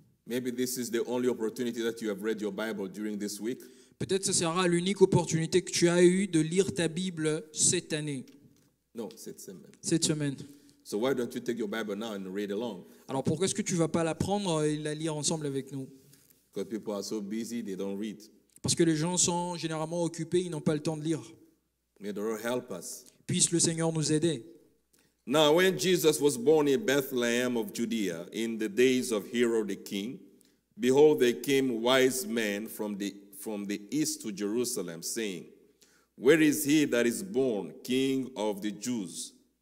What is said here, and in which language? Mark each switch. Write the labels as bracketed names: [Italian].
[English] Maybe this is the only opportunity that you have read your Bible during this week. [French] Peut-être ce sera l'unique opportunité que tu as eu de lire ta Bible cette année. No, cette semaine. Cette semaine. [English] So why don't you take your Bible now and read along? [French] Alors pourquoi est-ce que tu vas pas la prendre et la lire ensemble avec nous? [English] Because people are so busy, they don't read. [French] Parce que les gens sont généralement occupés, ils n'ont pas le temps de lire. [English] May the Lord help us. [French] Puisse le Seigneur nous aider. [English] Now, when Jesus was born in Bethlehem of Judea in the days of Herod the king, behold, there came wise men from the east to Jerusalem, saying, "Where is he that is born, King of the Jews?